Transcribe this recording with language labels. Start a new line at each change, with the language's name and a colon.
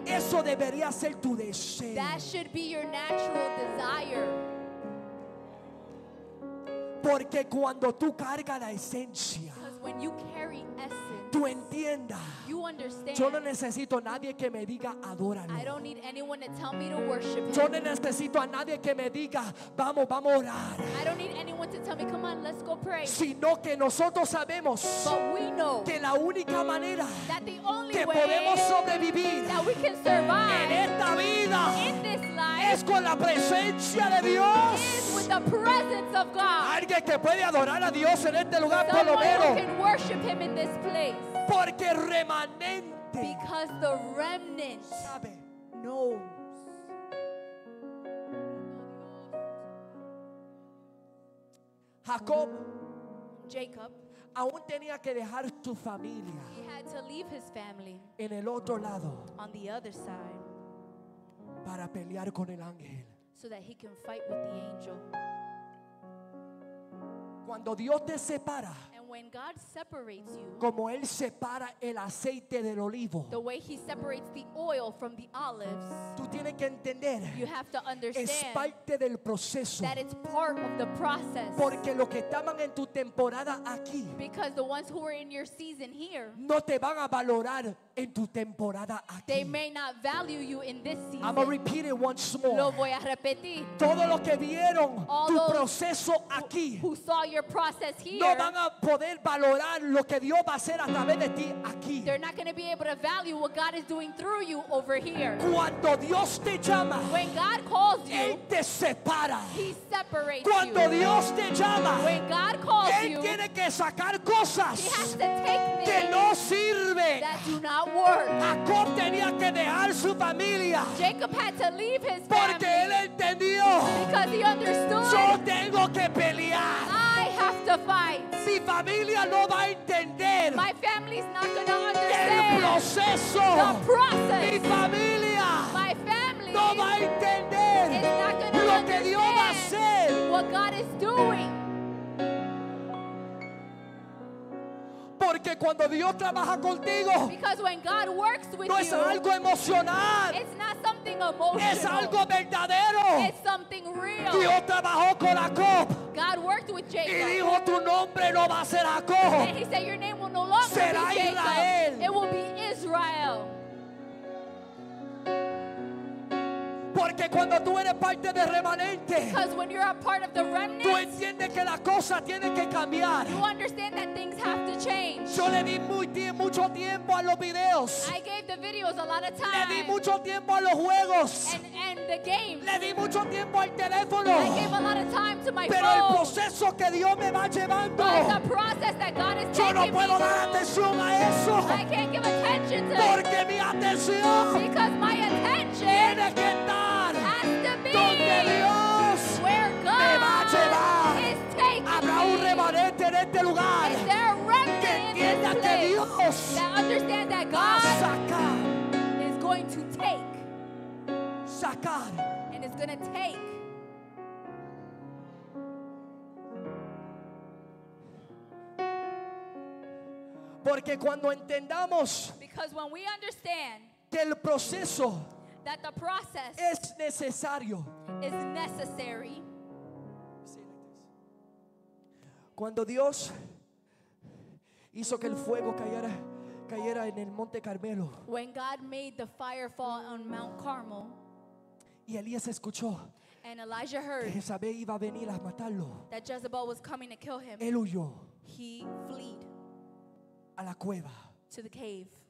Spanish: Eso debería ser tu deseo.
English: That should be your natural desire.
Spanish: Porque cuando tú cargas la esencia,
English: because when you carry essence,
Spanish: tú entiendas,
English: you understand.
Spanish: Yo no necesito a nadie que me diga adóralo.
English: I don't need anyone to tell me to worship him.
Spanish: Yo no necesito a nadie que me diga vamos a orar.
English: I don't need anyone to tell me come on let's go pray.
Spanish: Sino que nosotros sabemos,
English: but we know,
Spanish: que la única manera
English: that the only
Spanish: que
English: way
Spanish: podemos sobrevivir
English: that we can survive
Spanish: en esta vida
English: in this life
Spanish: es con la presencia de Dios.
English: Is with the presence of God.
Spanish: Alguien que puede adorar a Dios en este lugar por lo menos.
English: Someone who can worship him in this place.
Spanish: Porque remanente,
English: because the remnant
Spanish: sabe,
English: knows.
Spanish: Jacob aún tenía que dejar su familia.
English: He had to leave his family
Spanish: en el otro lado,
English: on the other side,
Spanish: para pelear con el ángel,
English: so that he can fight with the angel.
Spanish: Cuando Dios te separa,
English: when God separates you,
Spanish: como él separa el aceite del olivo,
English: the way he separates the oil from the olives,
Spanish: tú tienes que entender,
English: you have to understand,
Spanish: es parte del proceso,
English: that it's part of the process,
Spanish: porque los que estaban en tu temporada aquí,
English: because the ones who were in your season here,
Spanish: no te van a valorar en tu temporada aquí,
English: they may not value you in this season. I'm gonna repeat it once more.
Spanish: Lo voy a repetir. Todos los que vieron tu proceso aquí,
English: who saw your process here,
Spanish: no van a poder valorar lo que Dios va a hacer a través de ti aquí.
English: They're not going to be able to value what God is doing through you over here.
Spanish: Cuando Dios te llama,
English: when God calls you,
Spanish: él te separa.
English: He separates you.
Spanish: Cuando Dios te llama,
English: when God calls
Spanish: él
English: you,
Spanish: él tiene que sacar cosas,
English: he has to take things
Spanish: que no sirven,
English: that do not work.
Spanish: Jacob tenía que dejar su familia,
English: Jacob had to leave his family,
Spanish: porque él entendió,
English: because he understood,
Spanish: yo tengo que pelear,
English: I have to fight.
Spanish: Mi familia no va a entender,
English: my family's not gonna understand,
Spanish: el proceso,
English: the process.
Spanish: Mi familia,
English: my family,
Spanish: no va a entender,
English: it's not gonna
Spanish: lo
English: understand
Spanish: que Dios va a hacer,
English: what God is doing.
Spanish: Porque cuando Dios trabaja contigo,
English: because when God works with
Spanish: no es algo emocional,
English: it's not something emotional,
Spanish: es algo verdadero,
English: it's something real.
Spanish: Dios trabajó con Jacob.
English: God worked with Jacob.
Spanish: Y dijo, tu nombre no va a ser Jacob.
English: And he said, your name will no longer
Spanish: será
English: be
Spanish: Israel.
English: Jacob. It will be Israel.
Spanish: Porque cuando tú eres parte del remanente,
English: because when you're a part of the remnant,
Spanish: tú entiendes que la cosa tiene que cambiar.
English: You understand that things have to change.
Spanish: Yo le di mucho tiempo a los videos.
English: I gave the videos a lot of time.
Spanish: Le di mucho tiempo a los juegos.
English: And the games.
Spanish: Le di mucho tiempo al teléfono.
English: I gave a lot of time to my
Spanish: pero
English: phone.
Spanish: El proceso que Dios me va llevando,
English: but the process that God is taking
Spanish: yo no puedo
English: me
Spanish: dar atención a eso.
English: I can't give attention to
Spanish: porque mi atención,
English: because my attention
Spanish: tiene que estar donde Dios
English: where God
Spanish: me va a llevar. Habrá un remanente en este lugar que entienda que Dios va a sacar
English: and is going to take.
Spanish: Porque cuando entendamos,
English: because when we understand
Spanish: que el proceso,
English: that the process
Spanish: es necesario,
English: is necessary.
Spanish: Cuando Dios hizo que el fuego cayera en el Monte Carmelo,
English: when God made the fire fall on Mount Carmel,
Spanish: y Elías escuchó,
English: and Elijah heard
Spanish: que Jezabel iba a venir a matarlo,
English: that Jezebel was coming to kill him,
Spanish: él huyó,
English: he fled
Spanish: a la cueva,
English: to the cave.